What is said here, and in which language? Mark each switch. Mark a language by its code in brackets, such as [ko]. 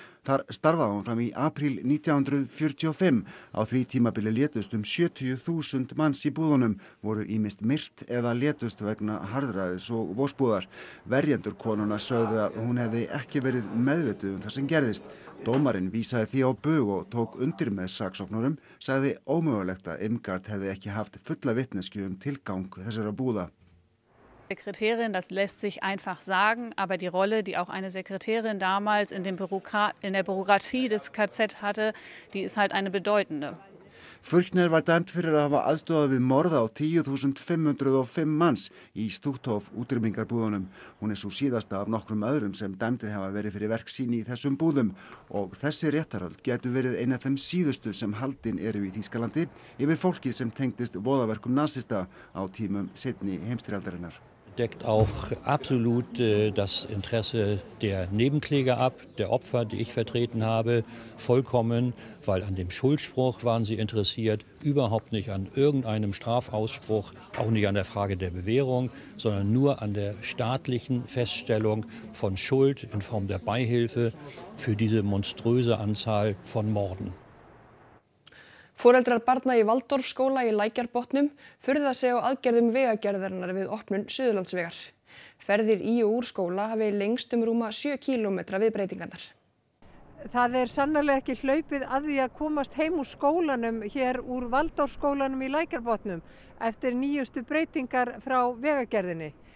[is] Þar starfaði hún fram í apríl 1945. Á því tímabili létust 70.000 manns í búðunum, voru ýmist myrt eða létust vegna harðræðis og vosbúðar. Verjendur konuna sögðu að hún hefði ekki verið meðvituð þar sem gerðist. Dómarinn vísaði því á bug og tók undir með saksóknurum, sagði ómögulegt að Imgard hefði ekki haft fulla vitneskju tilgang þessara búða. [de] Sekretärin, das lässt sich einfach sagen, aber die Rolle, die auch eine Sekretärin damals in der Bürokratie des KZ hatte, die ist halt eine bedeutende. [is] Furchner var dæmt fyrir að hafa aðstoðað við morð á 10.505 manns í Stutthof útrýmingarbúðunum. Hún er sú síðasta af nokkrum öðrum sem dæmtir hafa verið fyrir verk sín í þessum búðum og þessi réttarhöld getur verið ein af þeim síðustu sem haldin eru í Þýskalandi yfir fólkið sem tengdist voðaverkum nasista á tímum seinni heimstyrjaldarinnar. [de] Deckt auch absolut das Interesse der Nebenkläger ab, der Opfer, die ich vertreten habe, vollkommen, weil an dem Schuldspruch waren sie interessiert, überhaupt nicht an irgendeinem Strafausspruch, auch nicht an der Frage der Bewährung, sondern nur an der staatlichen Feststellung von Schuld in Form der Beihilfe für diese monströse Anzahl von Morden. [is] Foreldrar barna í Valdorfskóla í Lækjarbotnum furða sig á aðgerðum vegagerðarinnar við opnun Suðurlandsvegar. Ferðir í og úr skóla hafi lengst rúma 7 km við breytingarnar. Það sannarlega ekki hlaupið að því að komast heim úr skólanum hér úr Valdorfskólanum í Lækjarbotnum eftir nýjustu breytingar frá vegagerðinni.